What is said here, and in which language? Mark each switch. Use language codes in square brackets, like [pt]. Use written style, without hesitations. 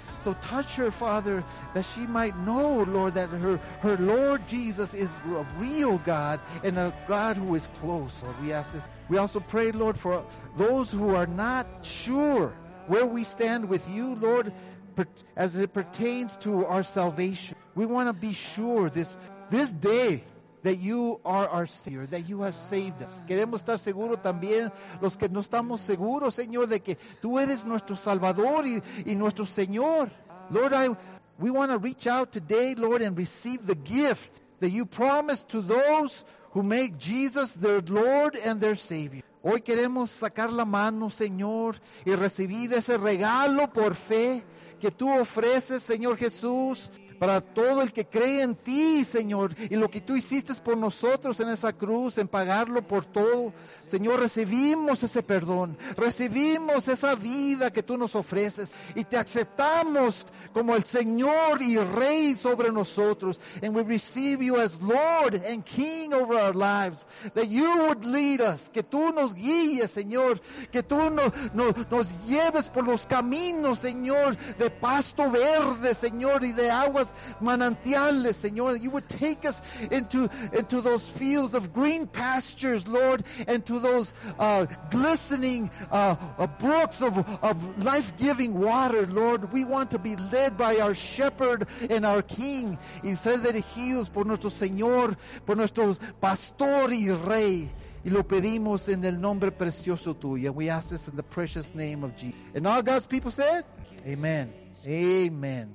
[en] So touch her, Father, that she might know, Lord, that her Lord Jesus is a real God and a God who is close. Lord, we ask this. We also pray, Lord, for those who are not sure where we stand with you, Lord, as it pertains to our salvation. We want to be sure this day that you are our Savior, that you have saved us. [es] Queremos estar seguros también, los que no estamos seguros, Señor, de que tú eres nuestro Salvador y nuestro Señor. [en] Lord, we want to reach out today, Lord, and receive the gift that you promised to those who make Jesus their Lord and their Savior. [es] Hoy queremos sacar la mano, Señor, y recibir ese regalo por fe que tú ofreces, Señor Jesús, para todo el que cree en ti, Señor, y lo que tú hiciste por nosotros en esa cruz, en pagarlo por todo. Señor, recibimos ese perdón, recibimos esa vida que tú nos ofreces, y te aceptamos como el Señor y Rey sobre nosotros. [en] And we receive you as Lord and King over our lives, that you would lead us, [es] que tú nos guíes, Señor, que tú nos lleves por los caminos, Señor, de pasto verde, Señor, y de agua manantiales, Señor. [en] You would take us into those fields of green pastures, Lord, and to those glistening brooks of life-giving water, Lord. We want to be led by our shepherd and our king. [es] Y ser dirigidos por nuestro Señor, por nuestro pastor y rey. Y lo pedimos en el nombre precioso tuyo. [en] We ask this in the precious name of Jesus. And all God's people said, amen. Amen.